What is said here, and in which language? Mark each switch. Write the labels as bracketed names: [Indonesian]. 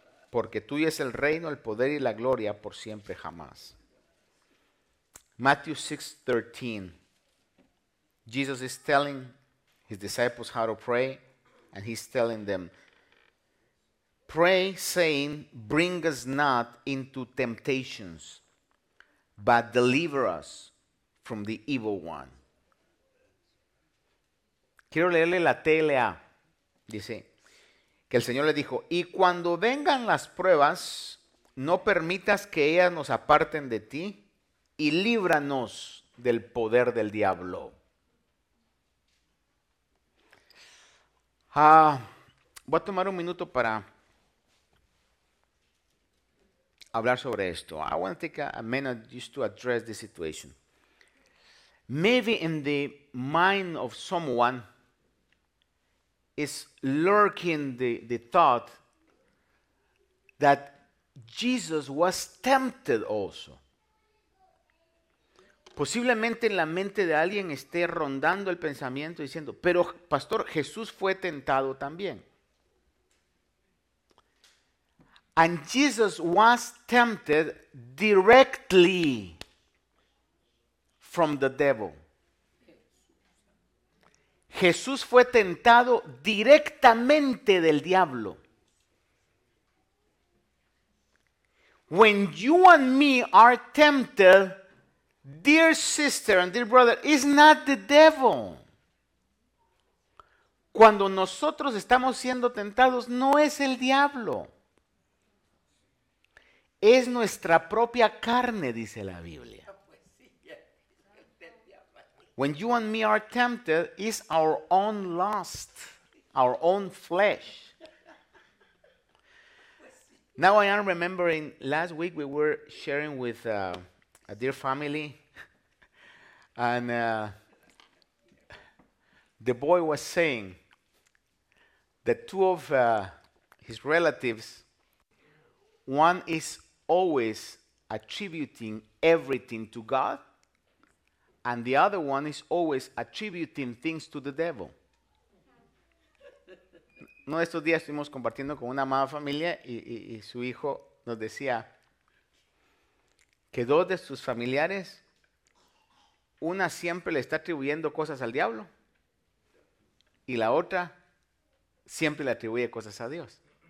[Spanish] porque tuyo es el reino, el poder y la gloria por siempre jamás. [English] Matthew 6:13. Jesus is telling his disciples how to pray, and he's telling them, pray saying, bring us not into temptations, but deliver us from the evil one. [Spanish] Quiero leerle la TLA. Dice que el Señor le dijo, y cuando vengan las pruebas, no permitas que ellas nos aparten de ti y líbranos del poder del diablo. Voy a tomar un minuto para hablar sobre esto. [English] I want to take a minute just to address this situation. Maybe in the mind of someone is lurking the thought that Jesus was tempted also. [Spanish] Posiblemente en la mente de alguien esté rondando el pensamiento diciendo, pero pastor, Jesús fue tentado también. [English] And Jesus was tempted directly from the devil. [Spanish] Jesús fue tentado directamente del diablo. [English] When you and me are tempted, dear sister and dear brother, it's not the devil. [Spanish] Cuando nosotros estamos siendo tentados, no es el diablo. Es nuestra propia carne, dice la Biblia. [English] When you and me are tempted, it's our own lust, our own flesh. Now I am remembering, last week we were sharing with a dear family, and the boy was saying that two of his relatives, one is always attributing everything to God, and the other one is always attributing things to the devil. [Spanish] Uno de estos días estuvimos compartiendo con una amada familia y su hijo nos decía que dos de sus familiares, una siempre le está atribuyendo cosas al diablo y la otra siempre le atribuye cosas a Dios.